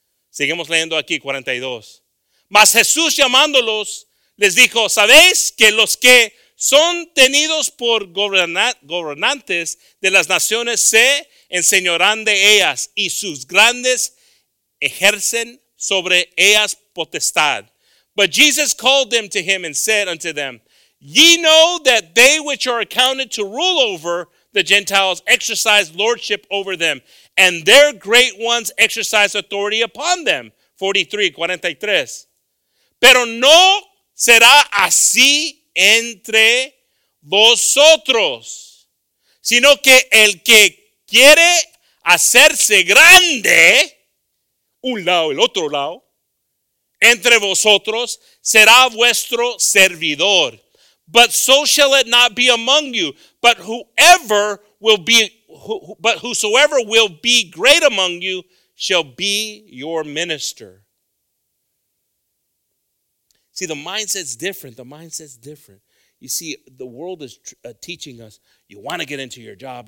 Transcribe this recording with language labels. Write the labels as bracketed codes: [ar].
[es] Seguimos leyendo aquí 42. Mas Jesús llamándolos, les dijo, ¿sabéis que los que son tenidos por gobernantes de las naciones se enseñorán de ellas y sus grandes ejercen sobre ellas potestad? [en] But Jesus called them to him and said unto them, ye know that they which are accounted to rule over the Gentiles exercise lordship over them, and their great ones exercise authority upon them. 43. [es] Pero no será así entre vosotros, sino que el que quiere hacerse grande, un lado, el otro lado, entre vosotros, será vuestro servidor. [en] But so shall it not be among you. But whoever will be, but whosoever will be great among you shall be your minister. See, the mindset's different. The mindset's different. You see, the world is teaching us, you want to get into your job.